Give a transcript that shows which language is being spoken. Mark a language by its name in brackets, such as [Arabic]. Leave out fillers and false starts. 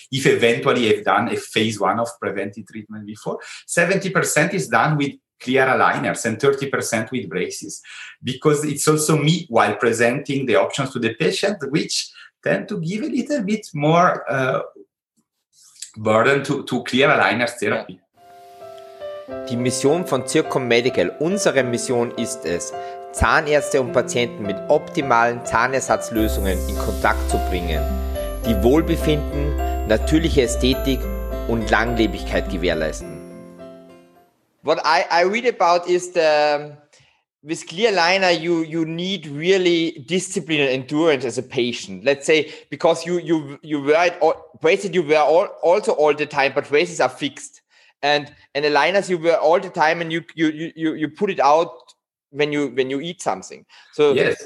[English] If eventually I've done a phase one of preventive treatment before, 70% is done with clear aligners and 30% with braces, because it's also me while presenting the options to the patient, which tend to give a little bit more burden to clear aligners therapy. [German] Die Mission von Zirkon Medical, unsere Mission ist es, Zahnärzte und Patienten mit optimalen Zahnersatzlösungen in Kontakt zu bringen, die Wohlbefinden, natürliche Ästhetik und Langlebigkeit gewährleisten. [English] What I read about is the with clear aligner you need really discipline and endurance as a patient. Let's say because you wear it all, braces you wear also all the time, but braces are fixed and aligners you wear all the time and you put it out when you eat something. So yes.